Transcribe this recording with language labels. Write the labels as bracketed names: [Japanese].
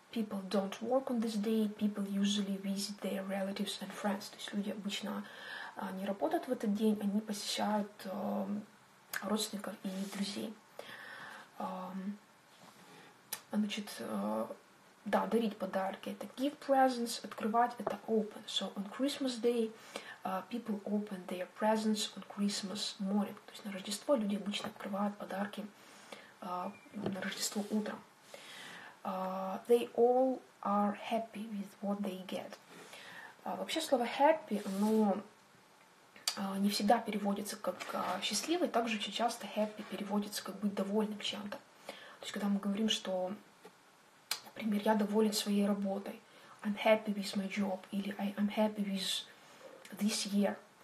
[English] people don't work on this day, people usually visit their relatives and friends. [Russian] То есть люди обычно не работают в этот день, они посещают родственников и друзей. Значит, да, дарить подарки — это give presents, открывать — это open. [English] So on Christmas Day people open their presents on Christmas morning. [Russian] То есть на Рождество люди обычно открывают подарки на Рождество утром. [English] They all are happy with what they get. [Russian] Вообще слово happy, оно не всегда переводится как счастливый, также очень часто happy переводится как быть довольным чем-то. То есть когда мы говорим, что, например, я доволен своей работой, [English] I'm happy with my job, [Russian] или [English] I'm happy with this year.